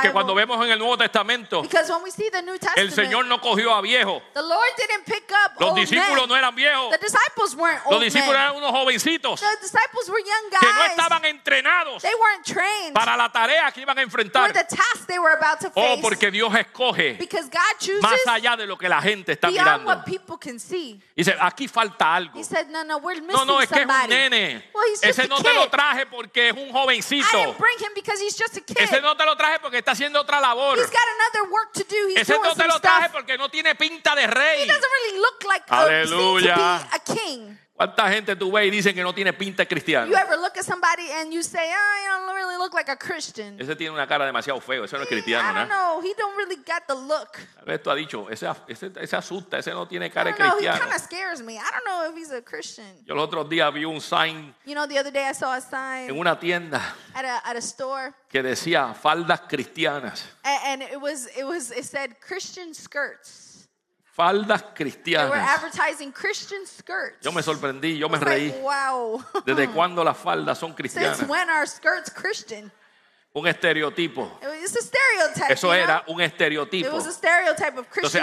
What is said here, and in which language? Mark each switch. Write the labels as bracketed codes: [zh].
[es] Porque cuando vemos en el Nuevo Testamento, [en] because when we see the New Testament, [es] el Señor no cogió a viejo. [en] The Lord didn't pick up [es] los discípulos [en] old men. [es] No eran viejos. [en] The disciples weren't old [es] los discípulos [en] men. [es] Eran unos jovencitos. [en] The disciples were young guys. [es] Que no estaban entrenados. [en] They weren't trained. [es] Para la tarea que iban a enfrentar. [en] For the task they were about to face. [es] Oh, porque Dios escoge. [en] Because God chooses. [es] Más allá de lo que la gente está [en] beyond [es] mirando. [en] What people can see. [es] Dice, aquí falta. [en] He said, no, we're missing somebody. [es] No, es que es un nene. [en] Well, he's just [es] no [en] a kid. [es] Te lo traje porque es un jovencito. [en] I didn't bring him because he's just a kid. [es] Ese no te lo traje porque está haciendo otra labor. [en] He's got another work to do. He's [es] ese [en] doing [es] no te [en] some [es] lo traje [en] stuff. [es] Porque no tiene pinta de rey. [en] He doesn't really look like [es] aleluya. [en] A king. [es] ¿Cuánta gente tú ves y dicen que no tiene pinta de cristiano? [en] You ever look at somebody and you say, oh, I don't really look like a Christian. [es] Ese tiene una cara demasiado feo. Ese no es cristiano, [en] I don't know. He don't really got the look. [es] Esto ha dicho, ese asusta. Ese no tiene cara de cristiano. [en] He kind of scares me. I don't know if he's a Christian. [es] Yo el otro día vi un sign. [en] You know, the other day I saw a sign. [es] En una tienda. [en] At a store. [es] Que decía faldas cristianas. [en] And it said Christian skirts. [es] Faldas cristianas. [en] They were advertising Christian skirts. [es] Yo me sorprendí, yo me reí. [en] Like, wow. [es] ¿Desde cuándo las faldas son cristianas? [en] Since when are skirts Christian? [es] Un estereotipo. [en] It's a stereotype. [es] Eso era un estereotipo. [en] It was a stereotype of Christian.